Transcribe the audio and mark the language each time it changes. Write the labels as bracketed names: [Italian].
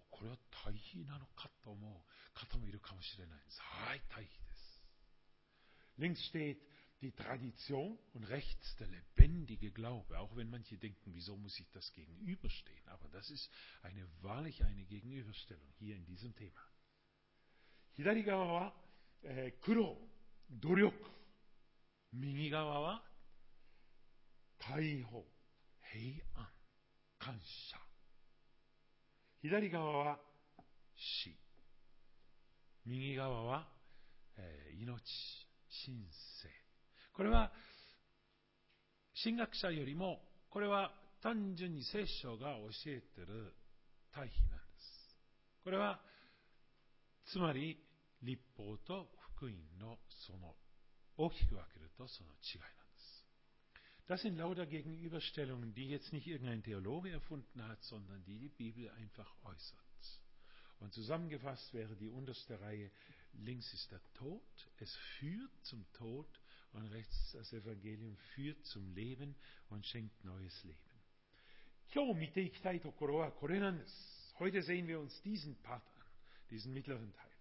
[Japanese] これは対比なのかと思う方もいるかもしれないです。はい、対比です。 [German] Links stehtDie Tradition und rechts der lebendige Glaube. Auch wenn manche denken, wieso muss ich das gegenüberstehen? Aber das ist eine wahrlich eine Gegenüberstellung hier in diesem Thema. [Japanese] 左側は苦労、努力。右側は解放、平安、感謝。左側は死。右側は命、神聖。これは神学者よりもこれは単純に聖書が教えている対比なんです。これはつまり立法と福音のその大きく分けるとその違いなんです。 [German] Das sind lauter Gegenüberstellungen, die jetzt nicht irgendein Theologe erfunden hat, sondern die die Bibel einfach äußert. Und zusammengefasst wäre die unterste Reihe: Links ist der Tod, es führt zum Tod. Und rechts das Evangelium führt zum Leben und schenkt neues Leben. [Japanese] 今日見ていきたいところはこれなんです。 [German] Heute sehen wir uns diesen Part an, diesen mittleren Teil.